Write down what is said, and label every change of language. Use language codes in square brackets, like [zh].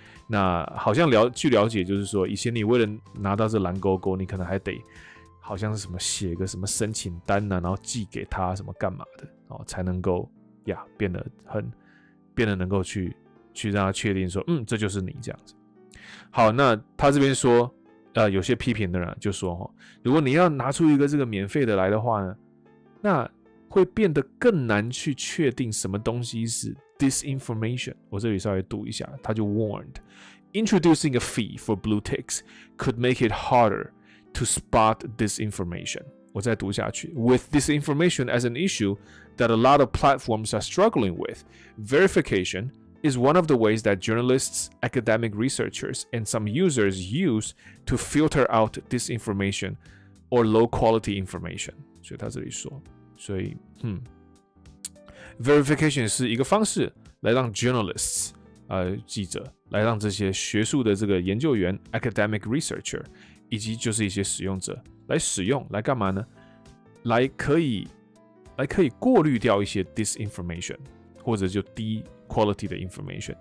[zh] 那好像据了解，就是说以前你为了拿到这蓝勾勾，你可能还得好像是什么写个什么申请单啊，然后寄给他什么干嘛的、啊、才能够呀变得能够去让他确定说，这就是你这样子。好，那他这边说。有些批评的人就说，如果你要拿出一个这个免费的来的话呢，那会变得更难去确定什么东西是 disinformation。我这里稍微读一下，他就 [en] warned， introducing a fee for blue ticks could make it harder to spot disinformation。 [zh] 我再读下去 [en] ，with disinformation as an issue that a lot of platforms are struggling with， verification。 Is one of the ways that journalists, academic researchers, and some users use to filter out disinformation or low quality information. [zh] 所以他这里说，所以，verification 是一个方式来让 journalists 记者，来让这些学术的这个研究员 [en] academic researcher， [zh] 以及就是一些使用者来使用，来干嘛呢？来可以过滤掉一些 disinformation， 或者就低 quality 的 information。